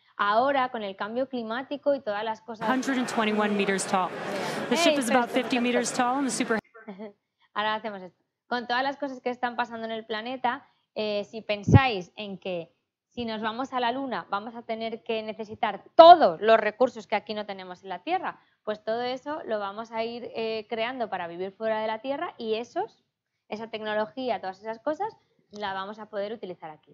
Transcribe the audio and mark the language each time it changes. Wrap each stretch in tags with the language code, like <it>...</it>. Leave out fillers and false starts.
<es>Ahora, con el cambio climático y todas las cosas...</es> <en>121 meters tall. The ship is about 50 meters tall and the super...</en> <es>Ahora hacemos esto. Con todas las cosas que están pasando en el planeta, si pensáis en que si nos vamos a la Luna vamos a tener que necesitar todos los recursos que aquí no tenemos en la Tierra, pues todo eso lo vamos a ir creando para vivir fuera de la Tierra y esa tecnología, todas esas cosas, la vamos a poder utilizar aquí.</es>